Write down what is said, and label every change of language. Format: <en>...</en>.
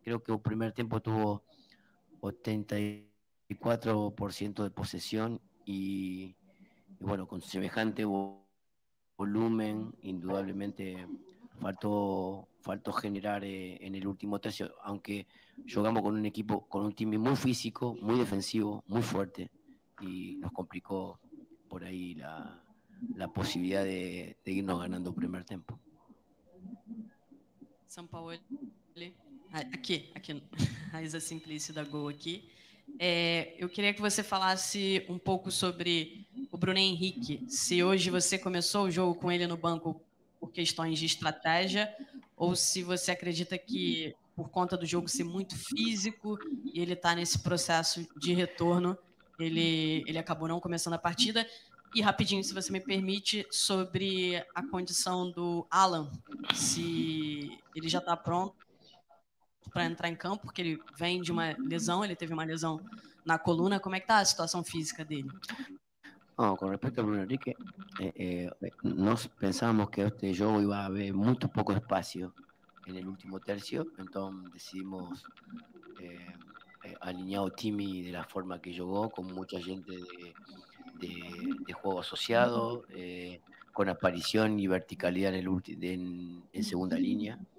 <es>Creo que el primer tiempo tuvo 84% de posesión y bueno, con semejante volumen, indudablemente faltó generar en el último tercio, aunque jugamos con un equipo, con un team muy físico, muy defensivo, muy fuerte, y nos complicó por ahí la posibilidad de irnos ganando el primer tiempo.</es> <pt>Sampaoli, aqui, Raíza Simplício da Gol aqui. Eu queria que você falasse um pouco sobre o Bruno Henrique. Se hoje você começou o jogo com ele no banco por questões de estratégia, ou se você acredita que, por conta do jogo ser muito físico e ele estar nesse processo de retorno, ele acabou não começando a partida. E rapidinho, se você me permite, sobre a condição do Alan, se ele já está pronto para entrar em campo, porque ele vem de uma lesão, ele teve uma lesão na coluna. Como é que está a situação física dele?</pt> <es>Oh, con respecto a Bruno Henrique, nos pensamos que este juego iba a haber muy poco espacio en el último tercio, entonces decidimos alinear a Timmy de la forma que jugó, con mucha gente de juego asociado, con aparición y verticalidad en el en segunda línea.</es>